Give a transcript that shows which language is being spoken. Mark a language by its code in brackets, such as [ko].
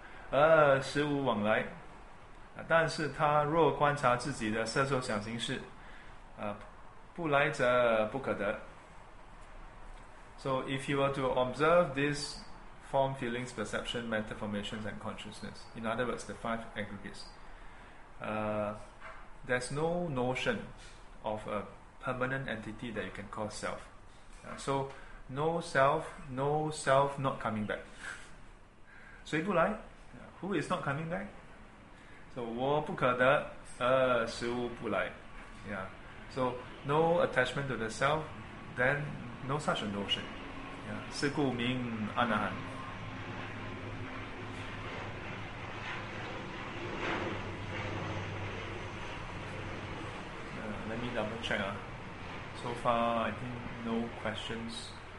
[zh] 而实无往来, 但是他若观察自己的色受想行识, 不来者不可得. [en] So if you were to observe this form, feelings, perception, mental formations and consciousness, in other words, the five aggregates, there's no notion of a permanent entity that you can call self. So no self, no self not coming back. [zh] 谁不来? [en] Who is not coming back? [zh] So 我不可得, 而实无不来. [en] So no attachment to the self, then no such a notion. [zh] 是故名阿那含. [en] Let me double check. So far, I think no questions.